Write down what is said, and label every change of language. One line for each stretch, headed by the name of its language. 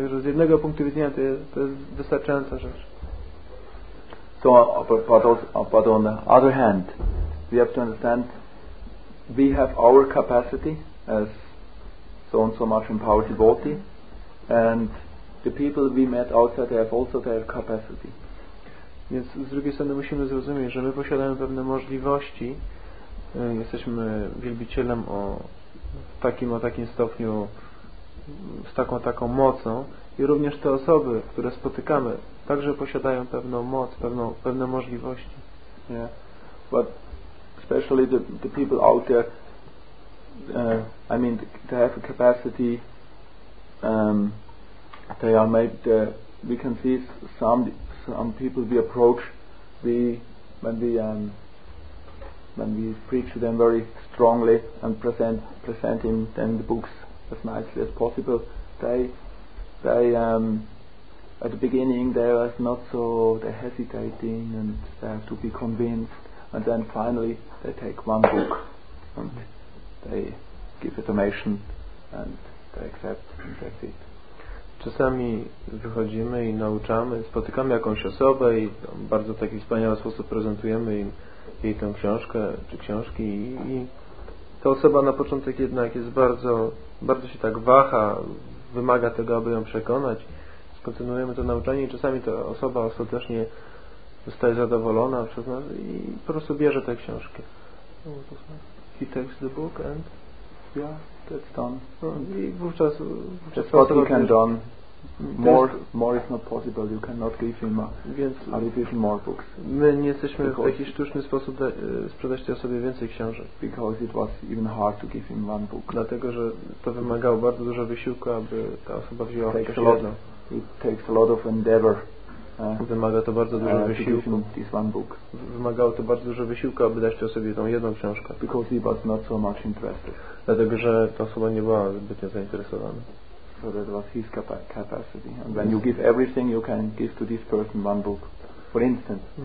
Polish: Także z jednego punktu widzenia to jest wystarczająca rzecz.
English: So, but on the other hand, we have to understand we have our capacity as so and so much empowered devotee, and the people we met outside have also their capacity.
Polish: Więc z drugiej strony musimy zrozumieć, że my posiadamy pewne możliwości, jesteśmy wielbicielem o takim stopniu, z taką mocą, i również te osoby, które spotykamy, także posiadają pewną moc, pewne możliwości.
English: Yeah. But especially the people out there, they have a capacity, they are made, we can see some people we approach, when we preach to them very strongly and present him then the books as nicely as possible, they at the beginning they are not so, they're hesitating and they have to be convinced, and then finally they take one book and they give a donation and they accept and that's it.
Polish: Czasami wychodzimy i nauczamy, spotykamy jakąś osobę i bardzo w taki wspaniały sposób prezentujemy im jej tę książkę czy książki, i ta osoba na początek jednak jest bardzo, bardzo się tak waha, wymaga tego, aby ją przekonać. Kontynuujemy to nauczanie i czasami ta osoba ostatecznie zostaje zadowolona przez nas i po prostu bierze tę książkę.
English: He takes the book and yeah, that's done.
Polish: I wówczas
English: that's what you can done. More is not possible. You cannot give him more books.
Polish: My nie jesteśmy w taki sztuczny sposób sprzedać tej osobie więcej książek.
English: Because it was even hard to give him one book.
Polish: Dlatego, że to wymagało bardzo dużo wysiłku, aby ta osoba wzięła chociaż jedną.
English: It takes a lot of endeavor.
Polish: Wymaga to bardzo dużo wysiłku.
English: To give him this one book.
Polish: Wymagało to bardzo dużo wysiłku, aby dać tej osobie tą jedną książkę.
English: Because he was not so much interested.
Polish: Dlatego, że ta osoba nie była zbytnio zainteresowana.
English: So that was his capacity. And when you give everything, you can give to this person one book, for instance.